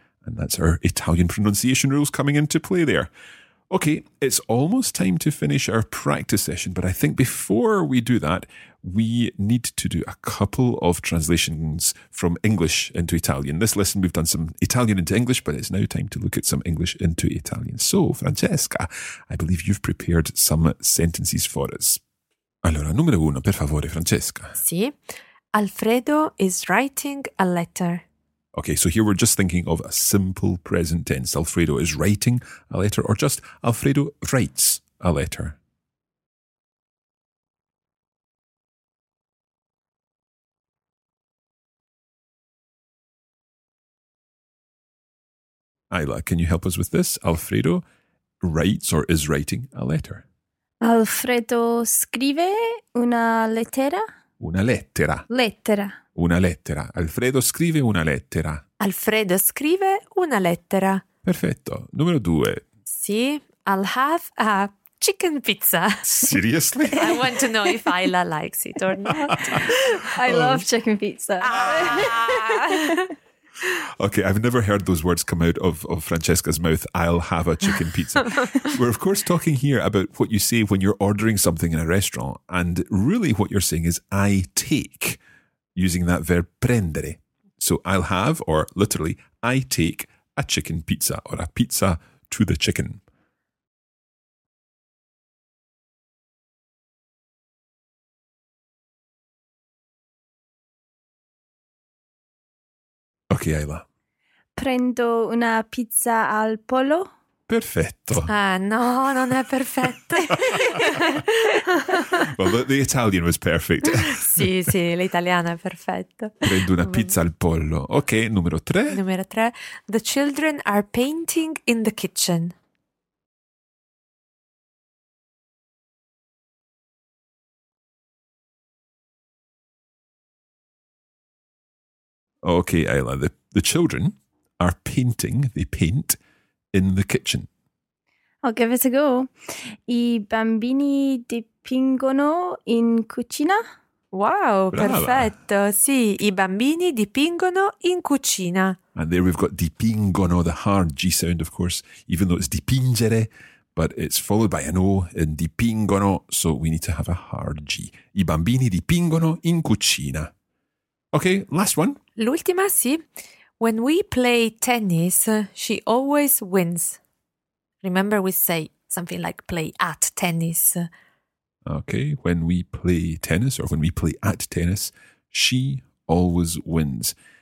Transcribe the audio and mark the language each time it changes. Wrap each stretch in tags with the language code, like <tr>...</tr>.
<en>And that's our Italian pronunciation rules coming into play there. Okay, it's almost time to finish our practice session, but I think before we do that, we need to do a couple of translations from English into Italian. This lesson, we've done some Italian into English, but it's now time to look at some English into Italian. So, Francesca, I believe you've prepared some sentences for us.</en> <it>Allora, numero uno, per favore, Francesca.</it> <en>Sì, Alfredo is writing a letter. Okay, so here we're just thinking of a simple present tense. Alfredo is writing a letter, or just Alfredo writes a letter. Ayla, can you help us with this? Alfredo writes or is writing a letter.</en> <it>Alfredo scrive una lettera. Una lettera. Lettera. Una lettera. Alfredo scrive una lettera. Alfredo scrive una lettera. Perfetto. Numero due.</it> <en>Sì, I'll have a chicken pizza. Seriously? I want to know if Ayla likes it or not. I love chicken pizza. Okay, I've never heard those words come out of Francesca's mouth. I'll have a chicken pizza. We're, of course, talking here about what you say when you're ordering something in a restaurant. And really what you're saying is I take, using that verb prendere. So I'll have, or literally, I take a chicken pizza, or a pizza to the chicken. Okay, Ayla.</en> <it>Prendo una pizza al pollo. Perfetto. Ah, no, non è perfetto.</it> <en>Well, the Italian was perfect.</en> <it>Sì, sì, l'italiano è perfetto. Prendo una pizza al pollo. Ok, numero tre. Numero tre.</it> <en>The children are painting in the kitchen. Ok, Ayla. The children are painting, they paint, in the kitchen. I'll give it a go.</en> <it>I bambini dipingono in cucina. Wow, brava. Perfetto. Sì, I bambini dipingono in cucina.</it> <en>And there we've got dipingono, the hard G sound, of course, even though it's dipingere, but it's followed by an O in dipingono, so we need to have a hard G.</en> <it>I bambini dipingono in cucina.</it> <en>Okay, last one.</en> <it>L'ultima, sì.</it> <en>When we play tennis, she always wins. Remember we say something like play at tennis. Okay, when we play tennis or when we play at tennis, she always wins.</en>